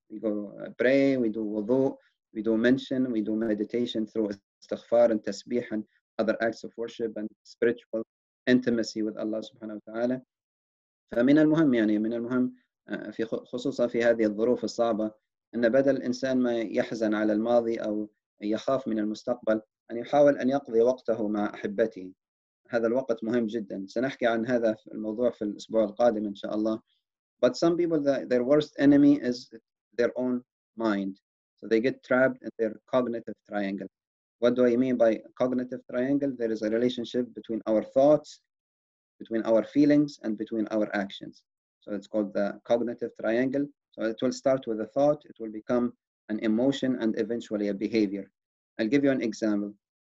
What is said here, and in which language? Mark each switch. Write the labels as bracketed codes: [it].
[en] We go pray, we do wudu, we do mention, we do meditation through istighfar and tasbih and other acts of worship and spiritual intimacy with Allah subhanahu wa ta'ala. [ar] فمن المهم يعني من المهم في خصوصا في هذه الظروف الصعبة أن بدل الإنسان ما يحزن على الماضي أو يخاف من المستقبل أن يحاول أن يقضي وقته مع أحبته. هذا الوقت مهم جدا. سنحكي عن هذا الموضوع في الأسبوع القادم إن شاء الله. [en] But some people, their worst enemy is their own mind. So they get trapped in their cognitive triangle. What do I mean by cognitive triangle? There is a relationship between our thoughts, between our feelings, and between our actions. So it's called the cognitive triangle. So it will start with a thought, it will become an emotion, and eventually a behavior. I'll give you an example.